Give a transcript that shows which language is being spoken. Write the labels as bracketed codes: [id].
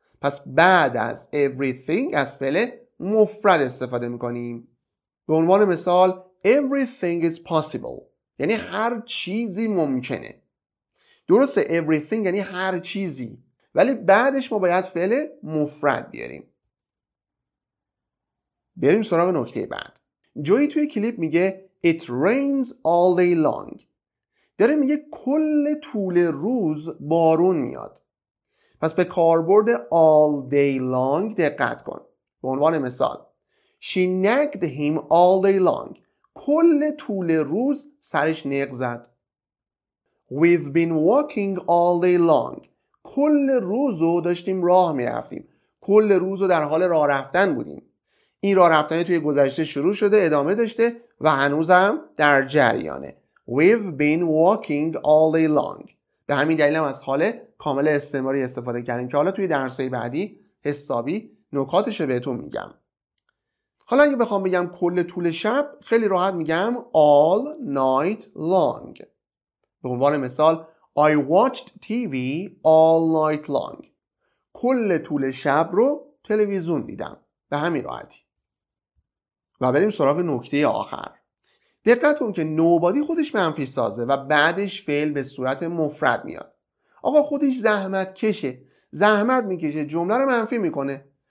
[fa] پس بعد از everything از فعل مفرد استفاده میکنیم. به عنوان مثال [en] everything is possible. [fa] یعنی هر چیزی ممکنه. درسته everything یعنی هر چیزی، ولی بعدش ما باید فعل مفرد بیاریم. بریم سراغ نکته بعد. جوی توی کلیپ میگه [en] It rains all day long. [fa] داره میگه کل طول روز بارون میاد. پس به کاربرد [en] all day long [fa] دقت کن. به عنوان مثال [en] She nagged him all day long. [fa] کل طول روز سرش نق زد. [en] We've been walking all day long. [fa] کل روزو داشتیم راه میرفتیم. کل روزو در حال راه رفتن بودیم. این راه رفتن توی گذشته شروع شده، ادامه داشته و هنوزم در جریانه. [en] We've been walking all day long. [fa] به همین دلیل هم از حاله کامل استعماری استفاده کردیم که حالا توی درس‌های بعدی حسابی نکاتش رو بهتون میگم. حالا اگه بخوام بگم کل طول شب، خیلی راحت میگم [en] all night long. [fa] به عنوان مثال [en] I watched TV all night long. [fa] کل طول شب رو تلویزیون دیدم. به همین راحتی. و بریم سراغ نکته آخر. دقت کن که nobody خودش منفی سازه و بعدش فعل به صورت مفرد میاد. آقا خودش زحمت کشه. زحمت میکشه. جمله رو منفی میکنه.